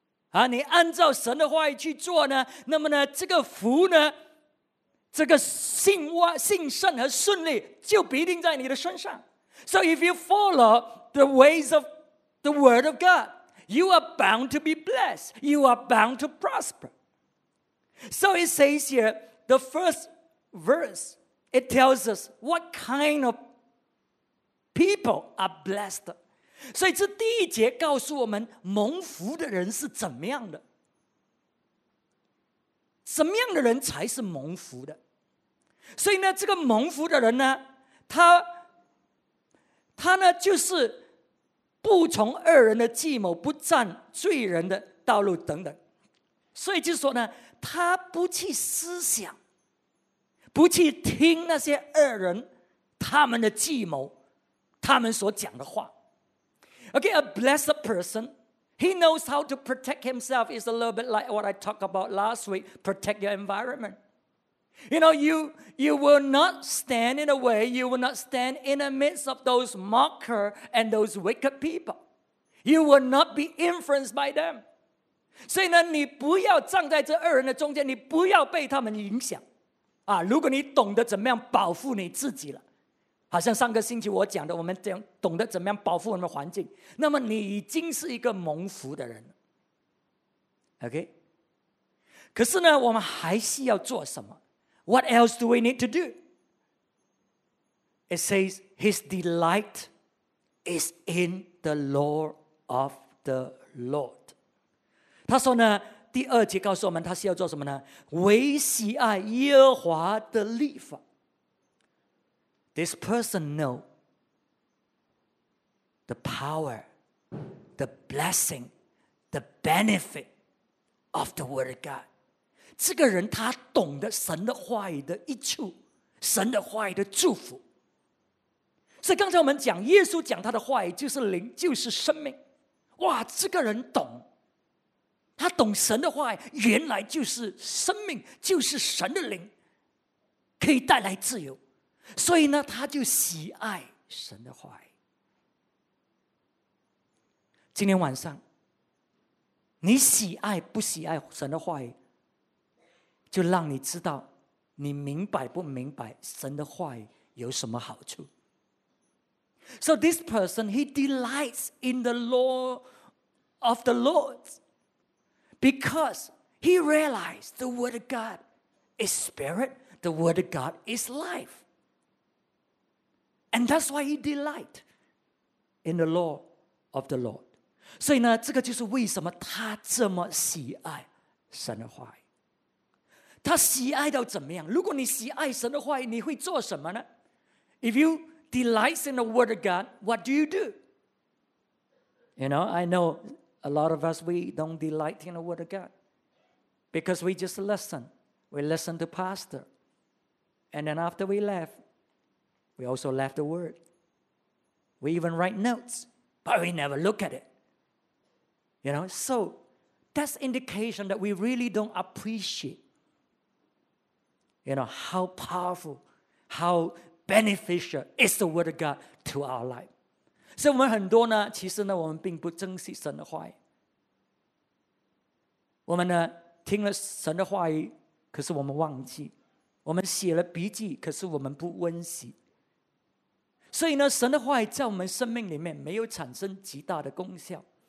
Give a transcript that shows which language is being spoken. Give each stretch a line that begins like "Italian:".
Chinese: 啊，你按照神的话语去做呢，那么呢，这个福呢，这个兴盛和顺利就必定在你的身上。
English: So if you follow the ways of the word of God, you are bound to be blessed. You are bound to prosper. So it says here, the first verse, it tells us what kind of people are blessed.
Chinese: 所以这第一节告诉我们蒙福的人是怎么样的。什么样的人才是蒙福的？所以呢，这个蒙福的人呢，他呢就是不从恶人的计谋，不占罪人的道路等等。所以就是说呢，他不去思想，不去听那些恶人他们的计谋，他们所讲的话。
English: Okay, a blessed person. He knows how to protect himself. It's a little bit like what I talked about last week. Protect your environment. You know, you will not stand in a way. You will not stand in the midst of those mockers and those wicked people. You will not be influenced by them.
Chinese: 所以呢，你不要站在这恶人的中间，你不要被他们影响。啊，如果你懂得怎么样保护你自己了。好像上个星期我讲的，我们懂得怎么样保护我们的环境，那么你已经是一个蒙福的人了。 OK， 可是呢，我们还需要做什么 ？
English: What else do we need to do？ It says his delight is in the law of the Lord。
Chinese: 他说呢，第二节告诉我们他是要做什么呢？唯喜爱耶和华的律法。
English: This person knows the power, the blessing, the benefit of the word of God.
Chinese: 这个人他懂得神的话语的益处，神的话语的祝福。所以刚才我们讲，耶稣讲他的话语就是灵，就是生命。哇，这个人懂，他懂神的话语，原来就是生命，就是神的灵，可以带来自由。所以呢，他就喜爱神的话语。今天晚上，你喜爱不喜爱神的话语，就让你知道你明白不明白神的话语有什么好处。
English: So this person, he delights in the law of the Lord because he realized the word of God is spirit, the word of God is life. And that's why he delight in the law of the Lord. 所以呢，这个就是为什么他这么喜爱神的话语。他喜爱到怎么样？如果你喜爱神的话语，你会做什么呢？ If you delight in the word of God, what do you do? You know, I know a lot of us, we don't delight in the word of God. Because we just listen. We listen to pastor. And then after we left,We also left the word. We even write notes, but we never look at it. You know, so that's indication that we really don't appreciate, you know, how powerful, how beneficial is the word of God to our life.
Chinese: So, 我们很多呢，其实呢，我们并不珍惜神的话语。我们呢，听了神的话语，可是我们忘记；我们写了笔记，可是我们不温习。所以呢，神的话语在我们生命里面没有产生极大的功效。